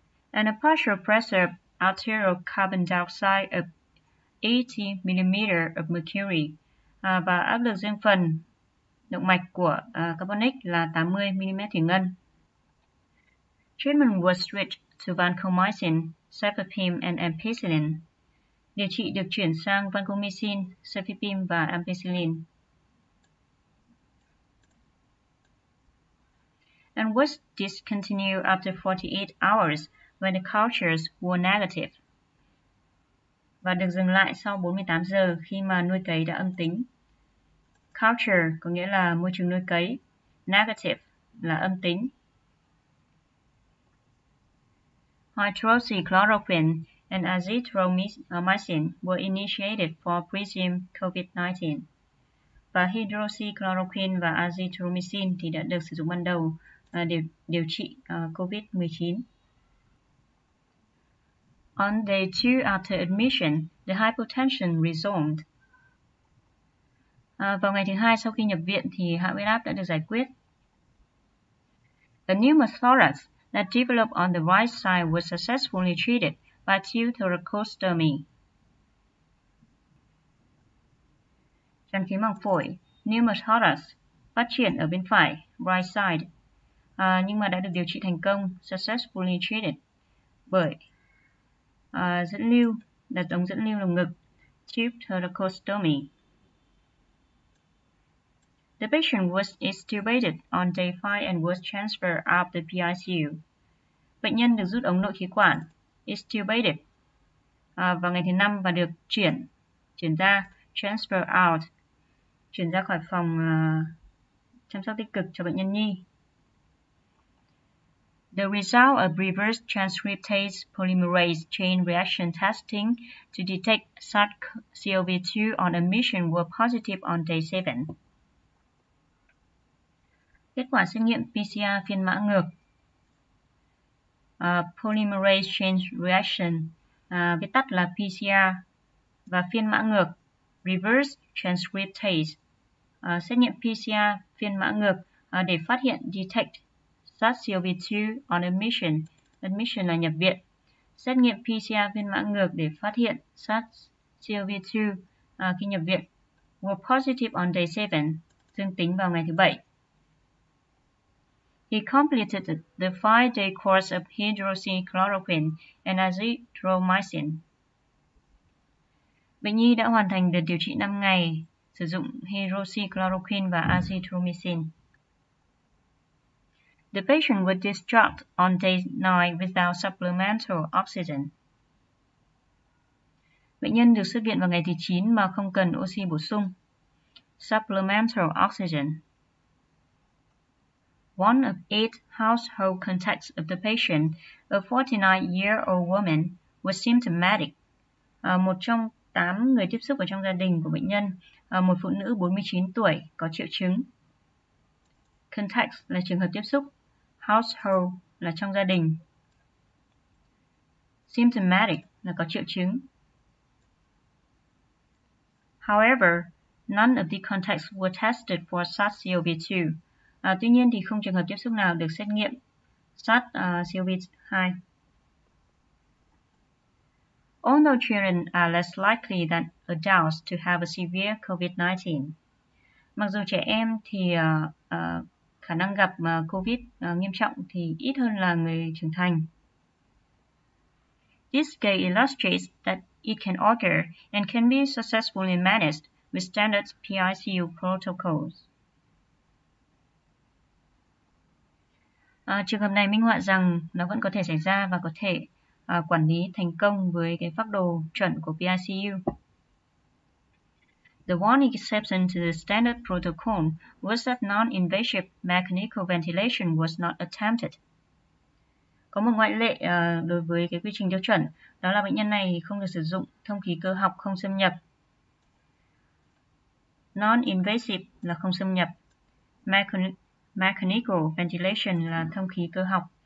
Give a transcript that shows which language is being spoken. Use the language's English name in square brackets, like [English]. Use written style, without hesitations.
[English] And a partial pressure of arterial carbon dioxide of 80 mm of mercury. [Vietnamese] Và áp lực riêng phần động mạch của carbonic là 80 mm thủy ngân. [English] Treatment was switched to vancomycin, cefepime and ampicillin. [Vietnamese] Điều trị được chuyển sang vancomycin, cefepime và ampicillin. [English] And was discontinued after 48 hours when the cultures were negative. [Vietnamese] Và được dừng lại sau 48 giờ khi mà nuôi cấy đã âm tính. Culture có nghĩa là môi trường nuôi cấy. Negative là âm tính. [English] Hydroxychloroquine and azithromycin were initiated for presumed COVID-19. [Vietnamese] Và hydroxychloroquine và azithromycin thì đã được sử dụng ban đầu điều trị COVID-19. [English] On day 2 after admission, the hypotension resumed. [Vietnamese] Vào ngày thứ 2 sau khi nhập viện thì hạ huyết áp đã được giải quyết. [English] A pneumothorax that developed on the right side was successfully treated by two thoracostomy. [Vietnamese] Tràn khí màng phổi, pneumothorax, phát triển ở bên phải, [English] right side, [Vietnamese] nhưng mà đã được điều trị thành công, [English] successfully treated, [Vietnamese] bởi dẫn lưu, đặt ống dẫn lưu lồng ngực, [English] tube thoracostomy. The patient was extubated on day 5 and was transferred out of the PICU. [Vietnamese] Bệnh nhân được rút ống nội khí quản, extubated, vào ngày thứ 5 và được chuyển ra, [English] transfer out, [Vietnamese] chuyển ra khỏi phòng chăm sóc tích cực cho bệnh nhân nhi. [English] The result of reverse transcriptase polymerase chain reaction testing to detect SARS-CoV-2 on admission were positive on day 7. [Vietnamese] Kết quả xét nghiệm PCR phiên mã ngược. [English] Polymerase chain reaction, [Vietnamese] viết tắt là PCR, và phiên mã ngược, [English] reverse transcriptase, [Vietnamese] xét nghiệm PCR phiên mã ngược để phát hiện detect [English] SARS-CoV-2 on admission, [Vietnamese] admission là nhập viện, xét nghiệm PCR phiên mã ngược để phát hiện SARS-CoV-2 khi nhập viện, [English] were positive on day 7, [Vietnamese] dương tính vào ngày thứ 7. [English] He completed the 5-day course of hydroxychloroquine and azithromycin. [Vietnamese] Bệnh nhi đã hoàn thành đợt điều trị 5 ngày sử dụng hydroxychloroquine và azithromycin. [English] The patient was discharged on day 9 without supplemental oxygen. [Vietnamese] Bệnh nhân được xuất viện vào ngày thứ 9 mà không cần oxy bổ sung. [English] Supplemental oxygen. One of eight household contacts of the patient, a 49-year-old woman, was symptomatic. [Vietnamese] Một trong tám người tiếp xúc ở trong gia đình của bệnh nhân, một phụ nữ 49 tuổi có triệu chứng. Contacts là trường hợp tiếp xúc, household là trong gia đình. Symptomatic là có triệu chứng. [English] However, none of the contacts were tested for SARS-CoV-2. [Vietnamese] Tuy nhiên thì không trường hợp tiếp xúc nào được xét nghiệm SARS-CoV-2. [English] although children are less likely than adults to have a severe COVID-19. [Vietnamese] Mặc dù trẻ em thì khả năng gặp COVID nghiêm trọng thì ít hơn là người trưởng thành. [English] This scale illustrates that it can occur and can be successfully managed with standard PICU protocols. [Vietnamese] Trường hợp này minh họa rằng nó vẫn có thể xảy ra và có thể quản lý thành công với cái phác đồ chuẩn của PICU. [English] The one exception to the standard protocol was that non-invasive mechanical ventilation was not attempted. [Vietnamese] Có một ngoại lệ đối với cái quy trình tiêu chuẩn, đó là bệnh nhân này không được sử dụng thông khí cơ học không xâm nhập. Non-invasive là không xâm nhập. [English] Mechanical ventilation [Vietnamese] là thông khí cơ học.